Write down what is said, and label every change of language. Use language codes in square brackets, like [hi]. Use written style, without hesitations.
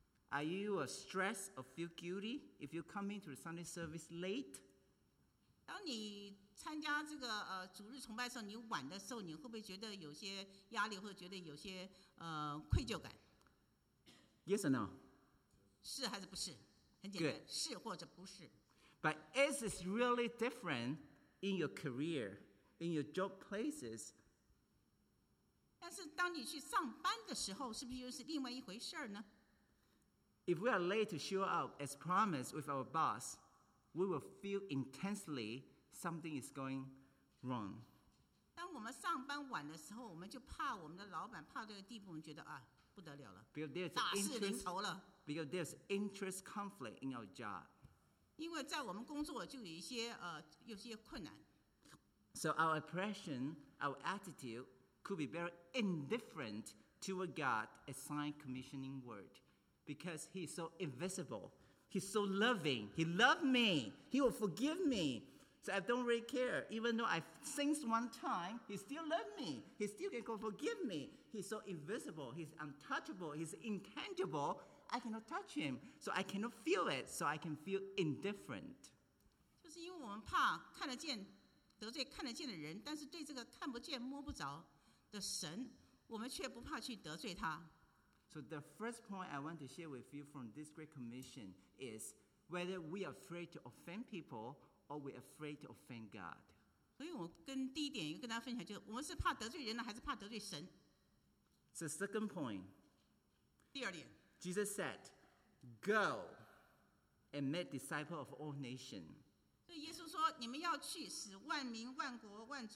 [en] Are you stressed or feel guilty if you come into the Sunday service late? [zh] 当你参加这个主日崇拜的时候，你晚的时候，你会不会觉得有些压力，或者觉得有些愧疚感 [en] ？Yes or no? [zh] 是还是不是？很简单， [en] Good. [zh] 是或者不是。 [en] But is it really different in your career, in your job places? [zh] 但是当你去上班的时候，是不是又是另外一回事呢？ [en] If we are late to show up as promised with our boss, we will feel intensely something is going wrong. [zh] 当我们上班晚的时候，我们就怕我们的老板怕这个地步，我们觉得啊不得了了， [en] because there's [zh] 大事临头了。 [en] Because there's interest conflict in our job. [zh] 因为在我们工作就有些困难。 [en] So our impression, our attitude could be very indifferent to a God assigned commissioning word. Because he's so invisible, he's so loving. He loved me. He will forgive me. So I don't really care. Even though I sinned one time, he still loved me. He still can forgive me. He's so invisible. He's untouchable. He's intangible. I cannot touch him. So I cannot feel it. So I can feel indifferent. [zh] 就是因为我们怕看得见得罪看得见的人，但是对这个看不见摸不着的神，我们却不怕去得罪他。 [en] So the first point I want to share with you from this great commission is whether we are afraid to offend people or we are afraid to offend God. [zh] 所以我跟第一点跟大家分享就是我们是怕得罪人呢还是怕得罪神。 [en] So second point. [zh] 第二点。 [en] Jesus said, go and made disciples of all nations. [zh] 所以耶稣说, 你们要去, 使万民万国,